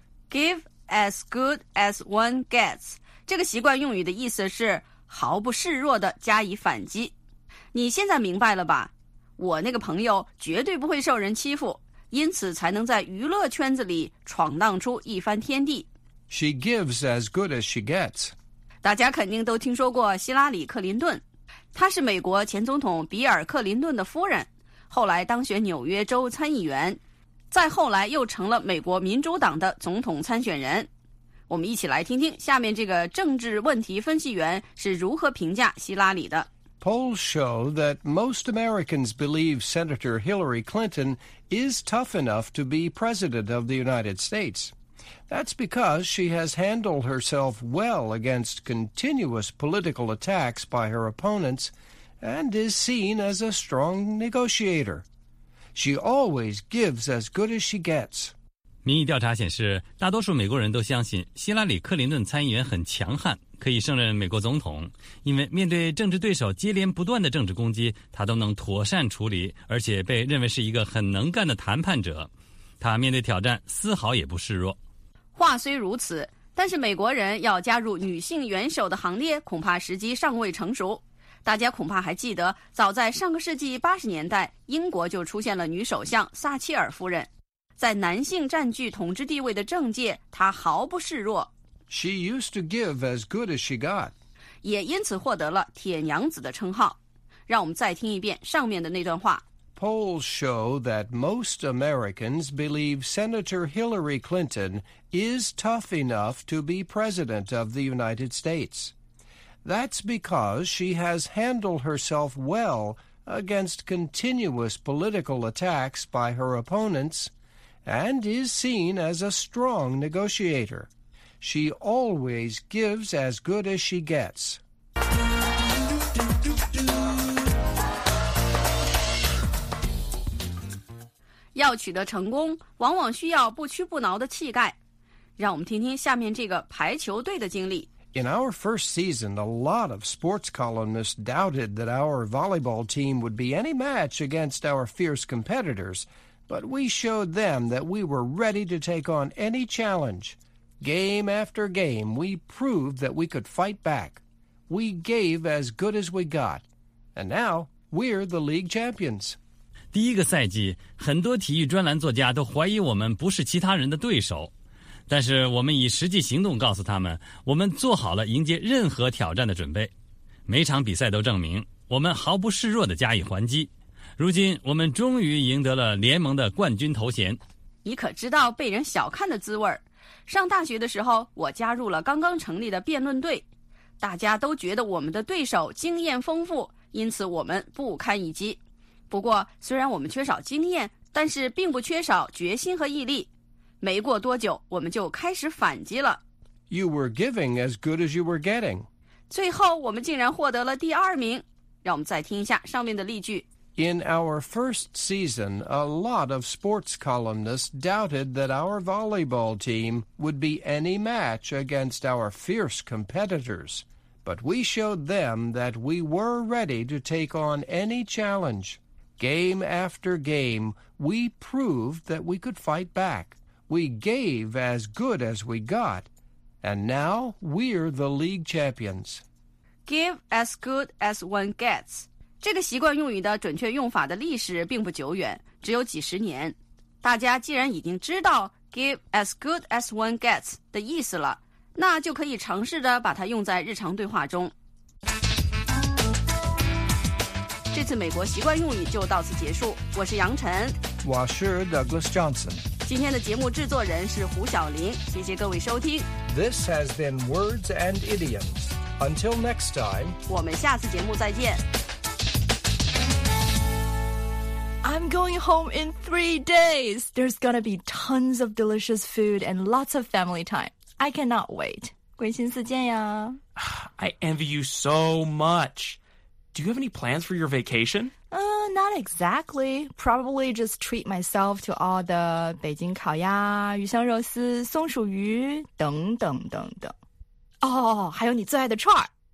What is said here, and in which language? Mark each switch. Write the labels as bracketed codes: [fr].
[en] Give as good as one gets. [zh] 这个习惯用语的意思是毫不示弱地加以反击。你现在明白了吧？我那个朋友绝对不会受人欺负，因此才能在娱乐圈子里闯荡出一番天地。 [en] She gives as good as she gets. [zh] 大家肯定都听说过希拉里·克林顿，她是美国前总统比尔·克林顿的夫人，后来当选纽约州参议员，再后来又成了美国民主党的总统参选人。我们一起来听听下面这个政治问题分析员是如何评价希拉里的。 [en] Polls show that most Americans believe Senator Hillary Clinton is tough enough to be president of the United States. That's because she has handled herself well against continuous political attacks by her opponents and is seen as a strong negotiator. She always gives as good as she gets. [zh] 民意调查显示，大多数美国人都相信希拉里·克林顿参议员很强悍，可以胜任美国总统，因为面对政治对手接连不断的政治攻击，他都能妥善处理，而且被认为是一个很能干的谈判者。他面对挑战丝毫也不示弱。话虽如此，但是美国人要加入女性元首的行列，恐怕时机尚未成熟。大家恐怕还记得，早在上个世纪80年代，英国就出现了女首相撒切尔夫人。在男性占据统治地位的政界，她毫不示弱。 [en] She used to give as good as she got. [zh] 也因此获得了铁娘子的称号。让我们再听一遍上面的那段话。 [en] Polls show that most Americans believe Senator Hillary Clinton is tough enough to be President of the United States. That's because she has handled herself well against continuous political attacks by her opponents and is seen as a strong negotiator. She always gives as good as she gets. [zh] 要取得成功，往往需要不屈不挠的气概。让我们听听下面这个排球队的经历。 [en] In our first season, a lot of sports columnists doubted that our volleyball team would be any match against our fierce competitors, but we showed them that we were ready to take on any challenge. Game after game, we proved that we could fight back. We gave as good as we got. And now, we're the league champions. [zh] 第一个赛季，很多体育专栏作家都怀疑我们不是其他人的对手，但是我们以实际行动告诉他们，我们做好了迎接任何挑战的准备。每场比赛都证明，我们毫不示弱地加以还击。如今，我们终于赢得了联盟的冠军头衔。你可知道被人小看的滋味？上大学的时候，我加入了刚刚成立的辩论队，大家都觉得我们的对手经验丰富，因此我们不堪一击。不过，虽然我们缺少经验，但是并不缺少决心和毅力。没过多久，我们就开始反击了。 [en] You were giving as good as you were getting. [zh] 最后，我们竟然获得了第二名。让我们再听一下上面的例句。 [en] In our first season, a lot of sports columnists doubted that our volleyball team would be any match against our fierce competitors. But we showed them that we were ready to take on any challenge. Game after game, we proved that we could fight back. We gave as good as we got. And now we're the league champions. Give as good as one gets. [zh] 这个习惯用语的准确用法的历史并不久远，只有几十年。大家既然已经知道 [en] give as good as one gets [zh] 的意思了，那就可以尝试着把它用在日常对话中。这次美国习惯用语就到此结束，我是杨晨，我是 Douglas Johnson，今天的节目制作人是胡晓林，谢谢各位收听。 [en] This has been Words and Idioms. Until next time， [zh] 我们下次节目再见。 [en] I'm going home in 3 days. There's gonna be tons of delicious food and lots of family time. I cannot wait. [zh] 鬼心思见呀。 [en] I envy you so much. Do you have any plans for your vacation? Not exactly. Probably just treat myself to all the [zh] 北京烤鸭、鱼香肉丝、松鼠鱼等等等等。哦、oh, ，还有你最爱的串儿。